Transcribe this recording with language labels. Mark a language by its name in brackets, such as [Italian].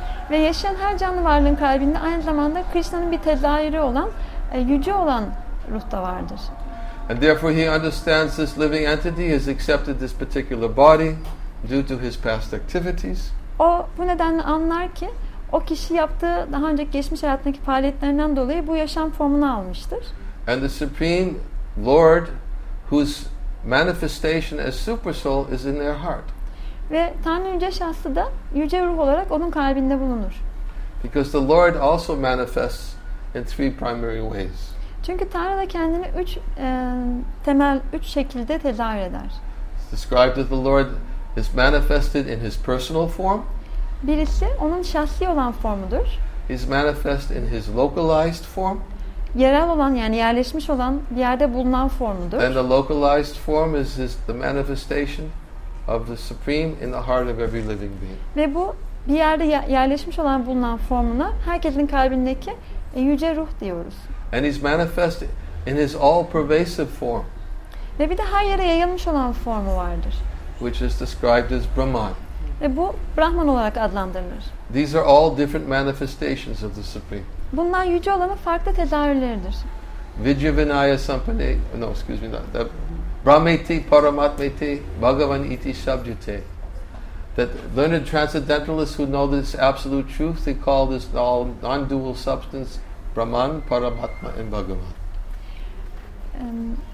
[Turkish] Ve yaşayan her canlı varlığın kalbinde aynı zamanda Krishna'nın bir tezahürü olan, yüce olan ruh da vardır. [English] And therefore he understands this living entity has accepted this particular body due to his past activities. [Turkish] O bu nedenle anlar ki o kişi yaptığı daha önce geçmiş hayatındaki faaliyetlerinden dolayı bu yaşam formunu almıştır. [English] And the Supreme Lord whose manifestation as super soul is in their heart. [Turkish] Ve Tanrı yüce şahsı da yüce ruh olarak onun kalbinde bulunur. [English] Because the Lord also manifests in three primary ways. [Turkish] Çünkü Tanrı da kendini üç temel şekilde tezahür eder. [English] It's described that the Lord is manifested in his personal form. [Turkish] Birisi onun şahsi olan formudur. [English] He's manifest in his localized form. [Turkish] Yerel olan yani yerleşmiş olan bir yerde bulunan formudur. [English] And the localized form is the manifestation of the supreme in the heart of every living being. [Turkish] Ve bu bir yerde yerleşmiş olan bulunan formuna herkesin kalbindeki yüce ruh diyoruz. [English] And he's manifest in his all pervasive form. [Turkish] Ve bir de her yere yayılmış olan formu vardır. [English] Which is described as Brahman. [Turkish] Ve bu Brahman olarak adlandırılır. [English] These are all different manifestations of the supreme. [Turkish] Bunlar yüce olanın farklı tezahürleridir. [Sanskrit] Vijayavinaya sampane, [English] no, excuse me, not that. [Sanskrit] Brahmeti paramatmeti bhagavan iti sabjate. [English] That learned transcendentalists who know this absolute truth, they call this all non-dual substance Brahman, Paramatma, and Bhagavan.